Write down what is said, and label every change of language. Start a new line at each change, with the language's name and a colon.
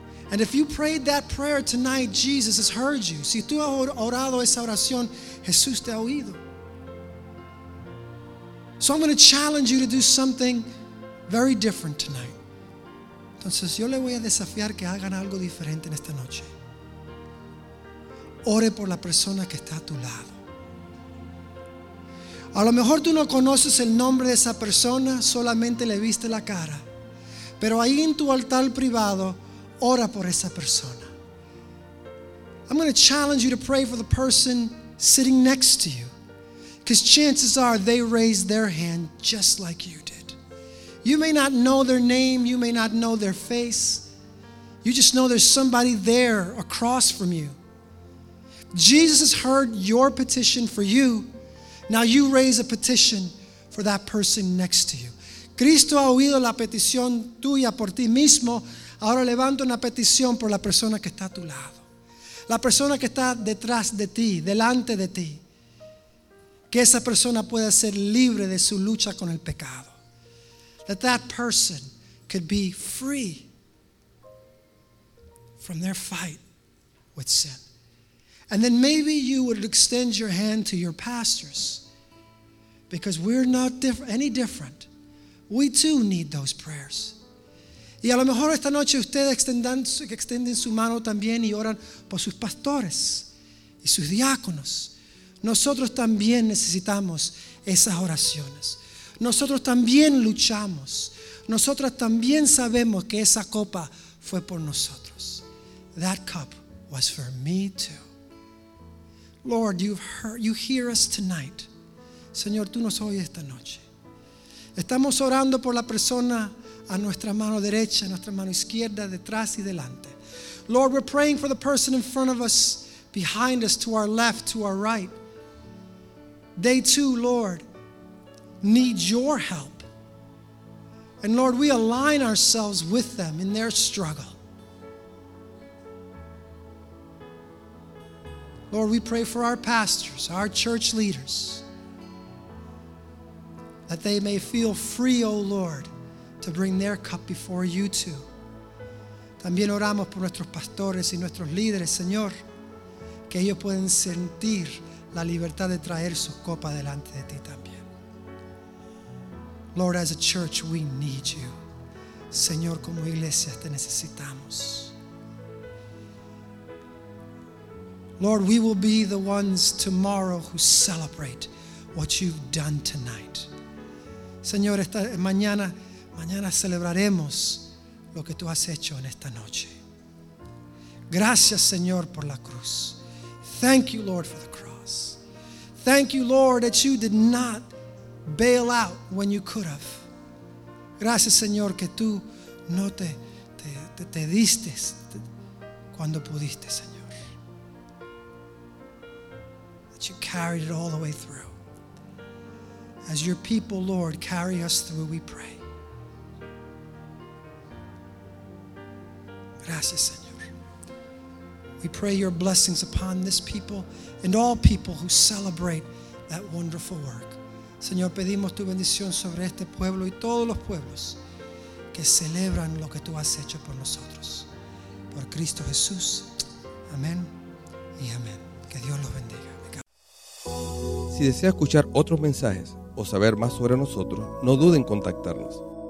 English: And if you prayed that prayer tonight, Jesus has heard you.
Spanish: Si tú has orado esa oración, Jesús te ha oído.
English: So I'm going to challenge you to do something very different tonight.
Spanish: Entonces yo le voy a desafiar que hagan algo diferente en esta noche. Ore por la persona que está a tu lado. A lo mejor tú no conoces el nombre de esa persona, solamente le viste la cara. Pero ahí en tu altar privado, ora por esa persona.
English: I'm going to challenge you to pray for the person sitting next to you. Because chances are they raised their hand just like you. You may not know their name, you may not know their face. You just know there's somebody there across from you. Jesus has heard your petition for you. Now you raise a petition for that person next to you.
Spanish: Cristo ha oído la petición tuya por ti mismo. Ahora levanta una petición por la persona que está a tu lado. La persona que está detrás de ti, delante de ti. Que esa persona pueda ser libre de su lucha con el pecado.
English: That that person could be free from their fight with sin. And then maybe you would extend your hand to your pastors, because we're not any different. We too need those prayers.
Spanish: Y a lo mejor esta noche ustedes extienden su mano también y oran por sus pastores y sus diáconos. Nosotros también necesitamos esas oraciones. Nosotros también luchamos. Nosotros también sabemos que esa copa fue por nosotros.
English: That cup was for me too. Lord, you hear us tonight.
Spanish: Señor, tú nos oyes esta noche. Estamos orando por la persona a nuestra mano derecha, a nuestra mano izquierda, detrás y delante.
English: Lord, we're praying for the person in front of us, behind us, to our left, to our right. They too, Lord, need your help. And Lord, we align ourselves with them in their struggle. Lord, we pray for our pastors, our church leaders, that they may feel free, O Lord, to bring their cup before you too.
Spanish: También oramos por nuestros pastores y nuestros líderes, Señor, que ellos puedan sentir la libertad de traer su copa delante de ti también.
English: Lord, as a church, we need you.
Spanish: Señor, como iglesia, te necesitamos.
English: Lord, we will be the ones tomorrow who celebrate what you've done tonight.
Spanish: Señor, esta mañana celebraremos lo que tú has hecho en esta noche. Gracias, Señor, por la cruz.
English: Thank you, Lord, for the cross. Thank you, Lord, that you did not bail out when you could have.
Spanish: Gracias, Señor, que tú no te diste cuando pudiste, Señor.
English: That you carried it all the way through. As your people, Lord, carry us through, we pray.
Spanish: Gracias, Señor.
English: We pray your blessings upon this people and all people who celebrate that wonderful work.
Spanish: Señor, pedimos tu bendición sobre este pueblo y todos los pueblos que celebran lo que tú has hecho por nosotros. Por Cristo Jesús. Amén y amén. Que Dios los bendiga. Si desea escuchar otros mensajes o saber más sobre nosotros, no dude en contactarnos.